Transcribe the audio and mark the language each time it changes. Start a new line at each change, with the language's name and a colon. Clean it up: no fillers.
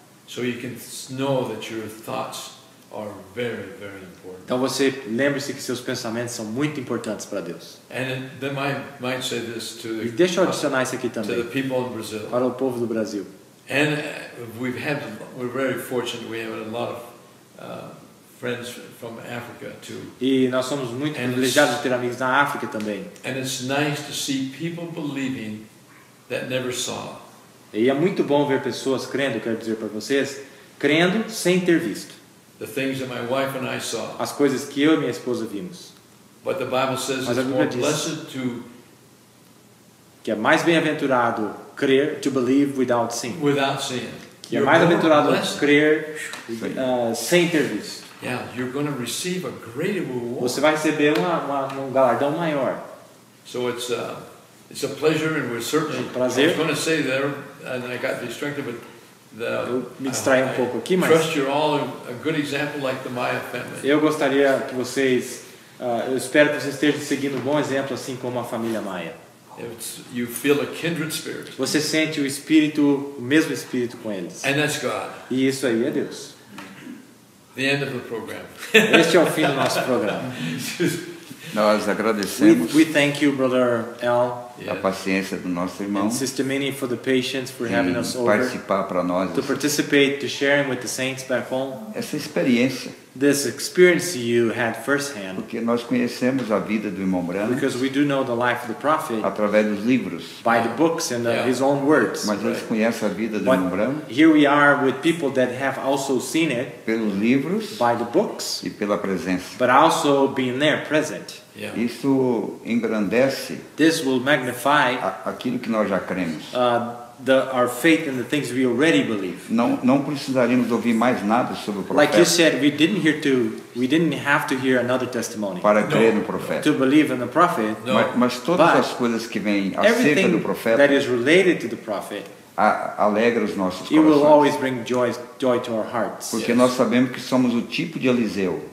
English: So you can know that your thoughts are very, very important.
Portuguese: Então você lembre-se que seus pensamentos são muito importantes para Deus.
English: And then I might say this to the,
Portuguese: e deixa eu adicionar isso aqui também
English: to the people in Brazil.
Portuguese: Para o povo do Brasil.
English: And we've had, we're very fortunate. We have a lot of friends from Africa too.
Portuguese: E nós somos muito privilegiados de ter amigos na África também.
English: And it's nice to see people believing that never saw.
Portuguese: E é muito bom ver pessoas crendo, quero dizer para vocês, crendo sem ter visto.
English: The things that my wife and I saw.
Portuguese: As coisas que eu e minha esposa vimos.
English: But the Bible says it's more blessed to.
Portuguese: Que é mais bem-aventurado crer,
English: to believe without seeing. Without seeing.
Portuguese: Que é mais aventurado crer sem ter visto.
English: Yeah, you're going to receive a greater reward.
Portuguese: Você vai receber um galardão maior.
English: So it's a pleasure, and we're certainly.
Portuguese: É um prazer.
English: I was going to say there, and I got distracted, but the.
Portuguese: Eu me distraí um pouco aqui, mas.
English: Trust you're all a good example like the Maya family.
Portuguese: Eu gostaria que vocês, eu espero que vocês estejam seguindo um bom exemplo assim como a família Maya.
English: You feel a kindred spirit.
Portuguese: Você sente o espírito, o mesmo espírito com eles.
English: And that's God.
Portuguese: E isso aí é Deus.
English: The end of the program.
Portuguese: Este é o fim do nosso programa. Nós agradecemos.
English: We thank you, Brother Al.
Portuguese: A paciência do nosso irmão.
English: And Sister Minnie for the patience for having us over.
Portuguese: Participar para nós.
English: To participate, to share with the saints back home.
Portuguese: Essa experiência.
English: This experience you had firsthand.
Portuguese: Porque nós conhecemos a vida do irmão Branham.
English: Because we do know the life of the prophet.
Portuguese: Através dos livros.
English: By the books and his own words.
Portuguese: Mas eles conhecem a vida do irmão Branham.
English: Here we are with people that have also seen it.
Portuguese: Pelos livros.
English: By the books.
Portuguese: E pela presença.
English: But also being there present.
Portuguese: Yeah. Isso engrandece.
English: This will magnify.
Portuguese: Aquilo que nós já cremos.
English: Our faith in the things we already believe.
Portuguese: Não precisaríamos ouvir mais nada sobre o profeta.
English: Like you said, we didn't have to hear another testimony.
Portuguese: Para crer no profeta.
English: To believe in the prophet. No.
Portuguese: Mas todas
English: But
Portuguese: as coisas que vêm acerca do profeta.
English: That is related to the prophet.
Portuguese: Alegra os nossos corações.
English: It will always bring joy to our hearts.
Portuguese: Porque nós sabemos que somos o tipo de Eliseu.